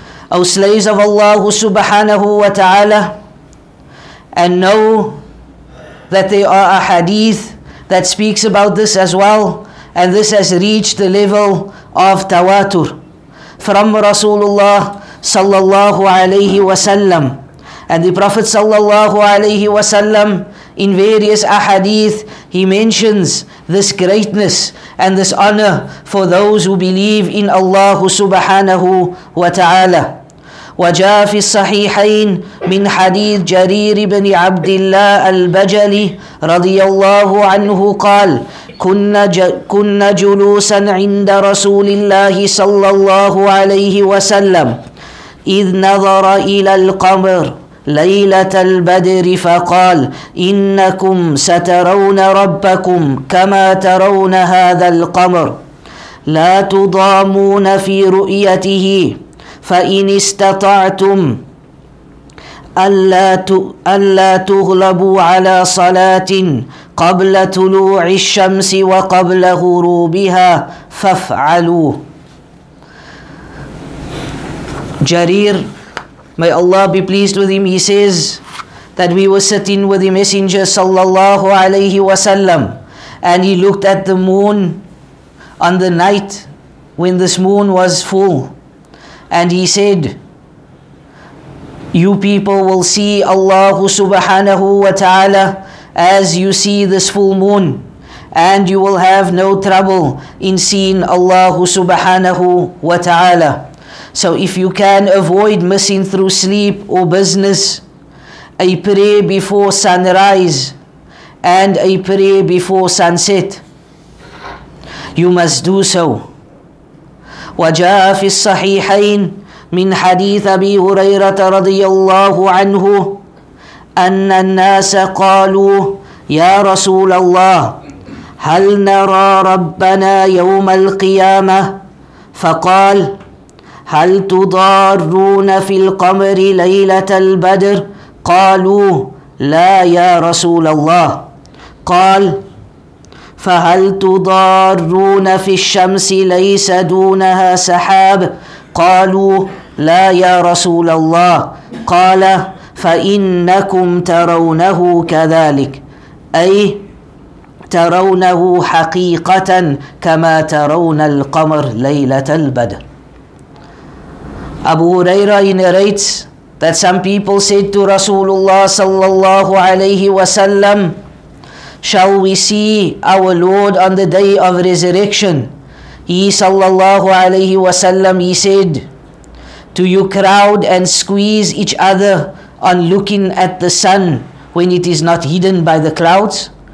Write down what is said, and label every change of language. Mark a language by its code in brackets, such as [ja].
[en] O slaves of Allah subhanahu wa ta'ala, and know that there are a hadith that speaks about this as well, and this has reached the level of tawatur from Rasulullah sallallahu alayhi wa sallam. And the Prophet sallallahu alayhi wa sallam, in various ahadith, he mentions this greatness and this honor for those who believe in Allah subhanahu wa ta'ala. [ar] وجاء في الصحيحين من حديث جرير بن عبد الله البجلي رضي الله عنه قال كنا جلوسا عند رسول الله صلى الله عليه وسلم إذ نظر إلى القمر ليلة البدر فقال إنكم سترون ربكم كما ترون هذا القمر لا تضامون في رؤيته فإن استطعتم ألا تغلبوا على صلاة قبل طلوع الشمس وقبل غروبها فافعلوا. [en] جرير, may Allah be pleased with him, he says, that we were sitting with the Messenger sallallahu alayhi wasallam, and he looked at the moon on the night when this moon was full, and he said, "You people will see Allah subhanahu wa ta'ala as you see this full moon, and you will have no trouble in seeing Allah subhanahu wa ta'ala." So if you can avoid missing through sleep or business, a prayer before sunrise and a prayer before sunset, you must do so. [ar] وَجَاءَ فِي الصَّحِيحَيْنِ مِنْ حَدِيثَ أَبِي هُرَيْرَةَ رَضِيَ اللَّهُ عَنْهُ أَنَّ النَّاسَ قَالُوا يَا رَسُولَ اللَّهِ هَلْ نَرَى رَبَّنَا يَوْمَ الْقِيَامَةِ فَقَالَ هل تضارون في القمر ليلة البدر؟ قالوا لا يا رسول الله. قال فهل تضارون في الشمس ليس دونها سحاب؟ قالوا لا يا رسول الله. قال فإنكم ترونه كذلك، أي ترونه حقيقة كما ترون القمر ليلة البدر. [en] Abu Huraira narrates that some people said to Rasulullah sallallahu alayhi wasallam, "Shall we see our Lord on the day of resurrection?" He sallallahu alayhi wasallam, he said, "Do you crowd and squeeze each other on looking at the sun when it is not hidden by the clouds?"